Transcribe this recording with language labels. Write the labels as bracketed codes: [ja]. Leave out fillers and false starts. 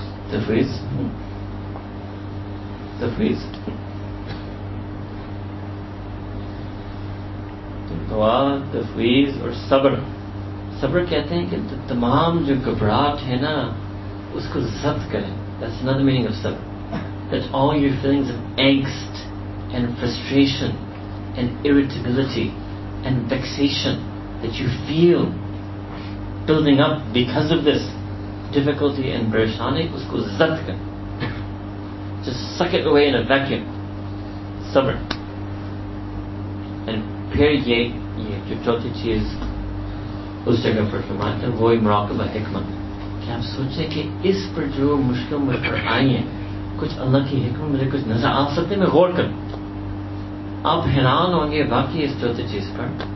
[ur] تفویض، تفویض. دعا، تفویض اور صبر. صبر کہتے ہیں کہ تمام جو گھبراہٹ ہے نا اس کو ضبط کریں. [en] That's another meaning of صبر. That all your feelings of angst and frustration and irritability and vexation that you feel building up because of this difficulty and pareshani, [ur] اس کو ضبط کریں. [en] Just suck it away in a vacuum. [ur] صبر. And پھر یہ جو چوتھی چیز اس جگہ پر فرماتے ہیں، وہی مراقبہ حکمت. کیا آپ سوچیں کہ اس پر جو مشکل مجھ پر آئی ہیں، کچھ اللہ کی حکمت مجھے کچھ نظر آ سکتے ہیں؟ میں غور کروں، آپ حیران ہوں گے واقعی اس چوتھی چیز پر.